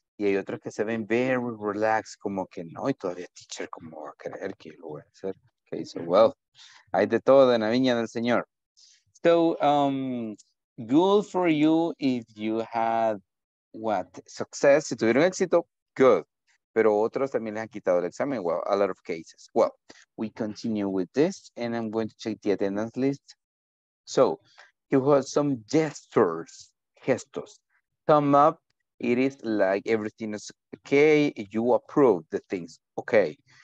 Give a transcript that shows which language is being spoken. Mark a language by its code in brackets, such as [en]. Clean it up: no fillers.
[es] Y hay otros que se ven [en] very relaxed, [es] como que no, y todavía teacher, ¿cómo va a creer que lo voy a hacer? Okay, so well, hay de todo en la viña del Señor. [en] So, good for you if you had what? [es] Success, si tuvieron éxito, good. Pero otros también les han quitado el examen, [en] well, a lot of cases. Well, we continue with this, and I'm going to check the attendance list. So, you have some gestures, gestos. Thumb up, it is like everything is okay, you approve the things, okay.